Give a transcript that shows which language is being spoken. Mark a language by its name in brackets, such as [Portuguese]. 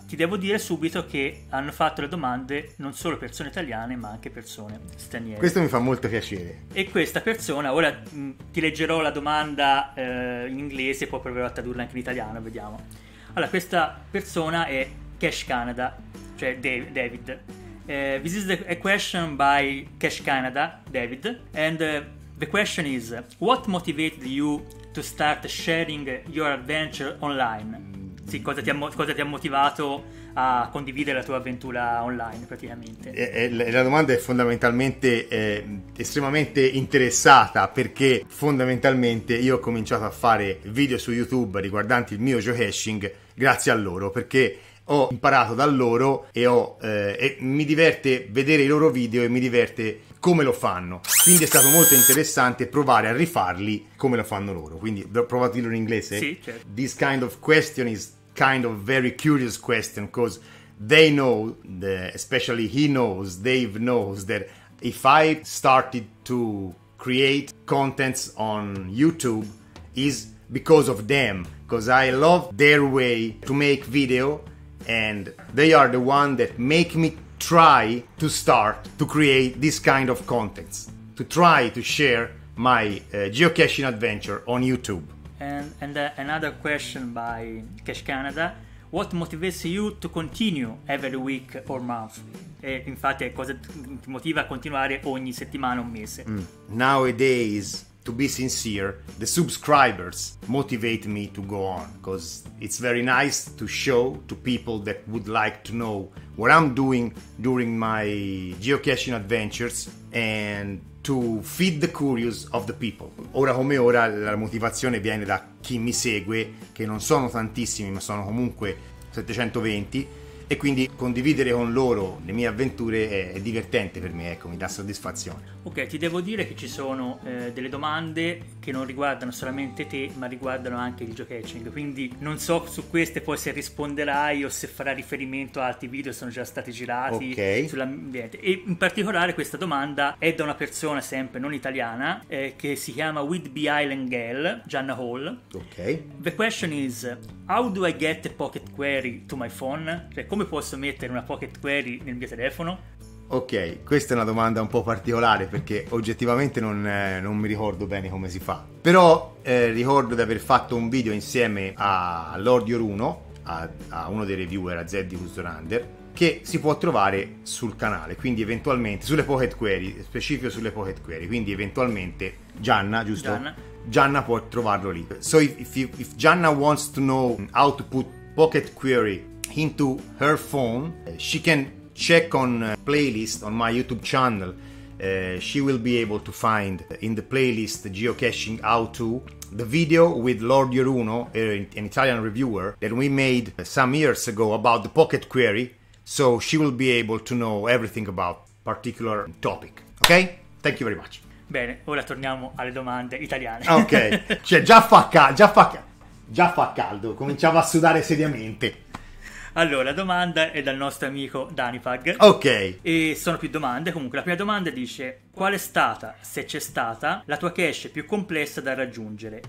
[Italian] Ti devo dire subito che hanno fatto le domande non solo persone italiane, ma anche persone straniere. Questo mi fa molto piacere. E questa persona, ora ti leggerò la domanda in inglese, poi proverò a tradurla anche in italiano, vediamo. Allora, questa persona è Cache Canada, cioè David. [English] This is a question by Cache Canada, David. And the question is, what motivated you to start sharing your adventure online? [Italian] Sì, cosa ti ha motivato a condividere la tua avventura online, praticamente? La domanda è fondamentalmente estremamente interessata, perché fondamentalmente io ho cominciato a fare video su YouTube riguardanti il mio geocaching grazie a loro, perché ho imparato da loro e mi diverte vedere i loro video e mi diverte come lo fanno. Quindi è stato molto interessante provare a rifarli come lo fanno loro. Quindi provo a dirlo in inglese. Sì, certo. [English] This kind of question is kind of very curious question, because they know, especially he knows, Dave knows, that if I started to create contents on YouTube is because of them, because I love their way to make video, and they are the one that make me try to start to create this kind of contents, to try to share my geocaching adventure on YouTube. And another question by Cache Canada, what motivates you to continue every week or month? [Italian] E infatti, cosa ti motiva a continuare ogni settimana o mese? [English] Nowadays, to be sincere, the subscribers motivate me to go on, because it's very nice to show to people that would like to know what I'm doing during my geocaching adventures and to feed the curious of the people. [Italian] Ora come ora la motivazione viene da chi mi segue, che non sono tantissimi, ma sono comunque 720, e quindi condividere con loro le mie avventure è divertente per me, ecco, mi dà soddisfazione. Ok, ti devo dire che ci sono delle domande che non riguardano solamente te, ma riguardano anche il geocaching, quindi non so su queste poi se risponderai o se farà riferimento a altri video che sono già stati girati. Ok. Sull'ambiente. E in particolare questa domanda è da una persona sempre non italiana, che si chiama Whidbey Island Girl, Gianna Hall. Ok. The question is, how do I get a pocket query to my phone? Cioè, come posso mettere una pocket query nel mio telefono? Ok, questa è una domanda un po' particolare, perché oggettivamente non mi ricordo bene come si fa. Però ricordo di aver fatto un video insieme a Lord Yoruno, a uno dei reviewer, a Zeddy Husdorander, che si può trovare sul canale, quindi eventualmente, sulle pocket query, specifico sulle pocket query, quindi eventualmente Gianna, giusto? Gianna può trovarlo lì. [English] So if Gianna wants to know how to put pocket query into her phone, she can check on playlist on my YouTube channel, she will be able to find in the playlist Geocaching How To the video with Lord Yoruno, an Italian reviewer, that we made some years ago about the Pocket Query. So she will be able to know everything about particular topic. Okay? Thank you very much. [Italian] Bene, ora torniamo alle domande italiane. Ok, cioè già fa caldo, cominciamo a sudare seriamente. Allora, la domanda è dal nostro amico Danipag. Ok. E sono più domande, comunque la prima domanda dice: qual è stata, se c'è stata, la tua cache più complessa da raggiungere?